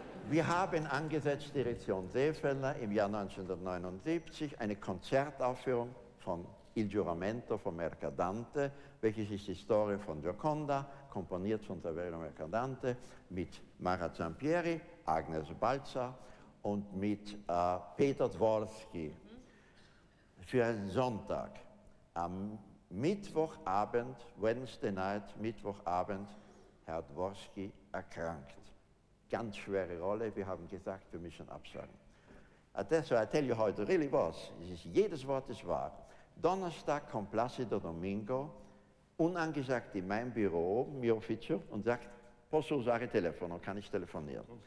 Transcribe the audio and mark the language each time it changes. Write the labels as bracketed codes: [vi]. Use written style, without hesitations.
[de] Wir haben angesetzt, Direktion Seefelder, im Jahr 1979 eine Konzertaufführung von Il Giuramento von Mercadante, welches ist die Story von Gioconda, komponiert von Saverio Mercadante, mit Mara Zampieri, Agnes Balzer und mit Peter Dworski für einen Sonntag. Am Mittwochabend, [en] Wednesday night, [de] Mittwochabend, Herr Dworski erkrankt. Ganz schwere Rolle, wir haben gesagt, wir müssen absagen. [it] Adesso, [en] I tell you how it really was. [de] Es ist, jedes Wort ist wahr. Donnerstag kommt Placido Domingo, unangesagt in mein Büro, [it] mio ufficio, [de] und sagt, [it] posso usare telefono, [de] kann ich telefonieren.